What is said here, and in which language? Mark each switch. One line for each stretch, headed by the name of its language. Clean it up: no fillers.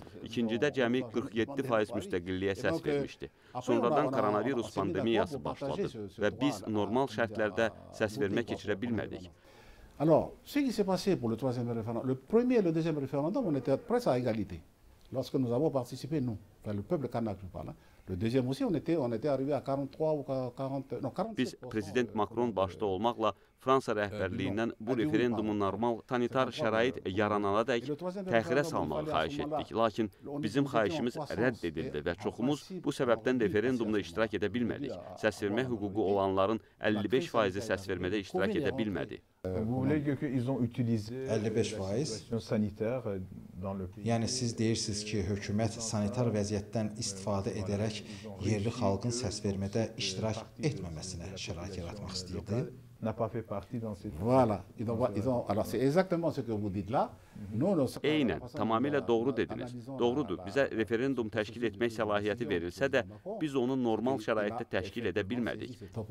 Azerbaijani: İkincidə cəmi 47% müstəqilliyə səs vermişdi. Sonradan koronavirus pandemiyası başladı və biz normal şərtlərdə səs vermə keçirə bilmədik.
French: Alors, ce qui s'est passé pour le troisième référendum, le premier et le deuxième référendum, on était presque à égalité. Lorsque nous avons participé, nous, enfin, le peuple kanak, je parle, le deuxième aussi, on était arrivé à 47%.
Azerbaijani: Biz prezident Macron başta olmaqla Fransa rəhbərliyindən bu referendumun normal sanitar şərait yaranana dək təxirə salmağı xahiş etdik. Lakin bizim xahişimiz rədd edildi və çoxumuz bu səbəbdən referendumda iştirak edə bilmədik. Səs vermə hüququ olanların 55% səs vermədə iştirak edə bilmədi. 55%? Yəni siz deyirsiniz ki, hökumət sanitar vəziyyətdən istifadə edərək yerli xalqın səs vermədə iştirak etməməsinə şərait yaratmak istəyirdi.
French: N'a pas fait partie dans cette... Voilà. Ils ont, alors c'est exactement ce que vous dites là.
Azerbaijani: Eynən, tamamilə doğru dediniz. Doğrudur, bizə referendum təşkil etmək səlahiyyəti verilsə də, biz onu normal şəraitdə təşkil edə bilmədik.